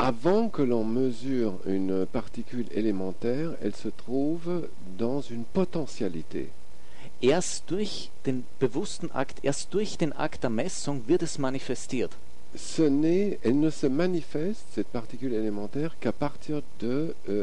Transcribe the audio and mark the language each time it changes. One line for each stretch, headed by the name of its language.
French: avant que l'on mesure une particule élémentaire, elle se trouve dans une potentialité.
German: Erst durch den bewussten Akt, erst durch den Akt der Messung wird es manifestiert.
French: Elle ne se manifeste, cette particule élémentaire, qu'à partir de